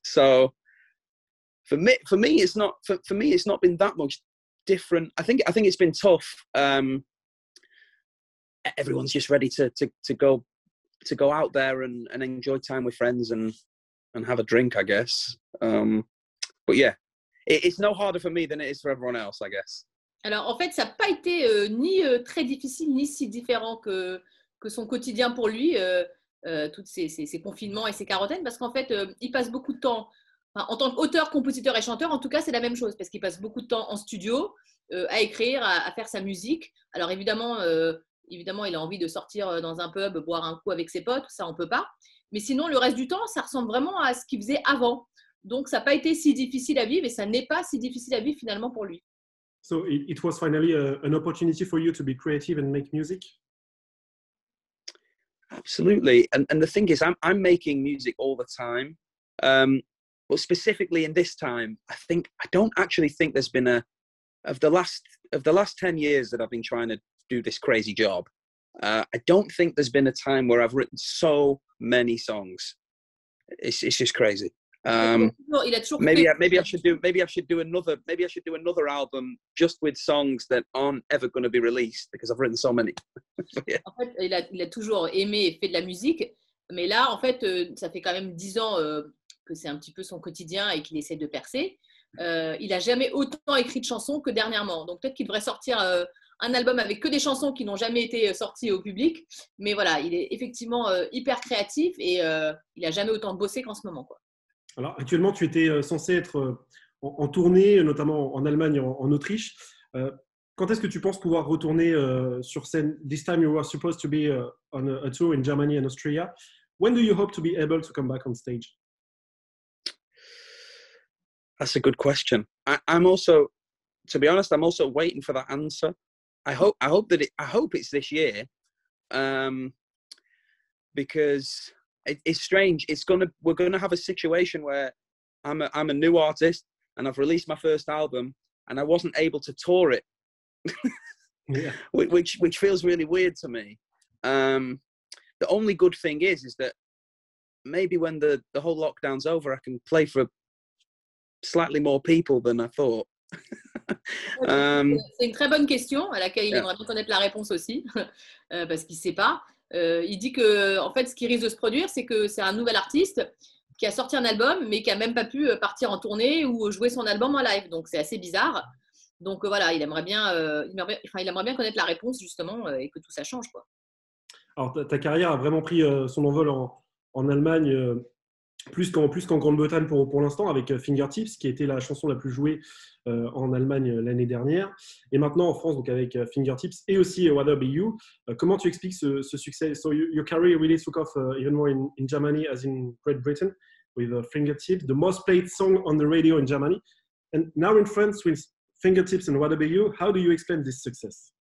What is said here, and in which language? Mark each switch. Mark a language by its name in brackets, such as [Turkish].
[English] So for me, it's not been that much different. I think it's been tough. Everyone's just ready to go out there and enjoy time with friends and have a drink, I guess. But yeah, it's no harder for me than it is for everyone else, I guess. [French] Alors, en fait, ça n'a pas été ni très difficile, ni si différent que son quotidien pour lui, tous ces confinements et ces quarantaines, parce qu'en fait, il passe beaucoup de temps, enfin, en tant qu'auteur, compositeur et chanteur, en tout cas, c'est la même chose, parce qu'il passe beaucoup de temps en studio à écrire, à faire sa musique. Alors, évidemment, il a envie de sortir dans un pub, boire un coup avec ses potes, ça, on ne peut pas. Mais sinon, le reste du temps, ça ressemble vraiment à ce qu'il faisait avant. Donc, ça n'a pas été si difficile à vivre, et ça n'est pas si difficile à vivre finalement pour lui. [English] So it was finally an opportunity for you to be creative and make music. Absolutely. And the thing is, I'm making music all the time. But specifically in this time, I don't actually think there's been a of the last 10 years that I've been trying to do this crazy job, I don't think there's been a time where I've written so many songs. It's just crazy. [French] Il a toujours fait. [English] Maybe I should do another album just with songs that aren't ever going to be released because I've written so many. [French] En fait, il a toujours aimé et fait de la musique, mais là, en fait, ça fait quand même 10 ans que c'est un petit peu son quotidien et qu'il essaie de percer. il n'a jamais autant écrit de chansons que dernièrement. Donc, peut-être qu'il devrait sortir un album avec que des chansons qui n'ont jamais été sorties au public. Mais voilà, il est effectivement hyper créatif et il n'a jamais autant bossé qu'en ce moment, quoi. Alors, actuellement, tu étais censé être en tournée, notamment en Allemagne et en Autriche. Quand est-ce que tu penses pouvoir retourner sur scène? [English] This time you were supposed to be on a tour in Germany and Austria. When do you hope to be able to come back on stage? That's a good question. I'm also, to be honest, I'm also waiting for that answer. I hope it's this year, because it's strange. We're going to have a situation where I'm a new artist and I've released my first album and I wasn't able to tour it. Yeah. which feels really weird to me. The only good thing is that maybe when the whole lockdown's over, I can play for slightly more people than I thought. [French] C'est une très bonne question à laquelle il aimerait bien connaître la réponse aussi, parce qu'il sait pas. Il dit que en fait, ce qui risque de se produire, c'est que c'est un nouvel artiste qui a sorti un album, mais qui a même pas pu partir en tournée ou jouer son album en live. Donc c'est assez bizarre. Donc voilà, il aimerait bien connaître la réponse justement et que tout ça change, quoi. Alors ta carrière a vraiment pris son envol en Allemagne, plus qu'en Grande-Bretagne pour l'instant, avec Fingertips, qui était la chanson la plus jouée en Allemagne l'année dernière. Et maintenant en France, donc avec Fingertips et aussi Whether Be You. Comment tu expliques ce succès? [English] So your career really took off even more in Germany as in Great Britain with Fingertips, the most played song on the radio in Germany. And now in France with Fingertips and What About You, how do you explain this success?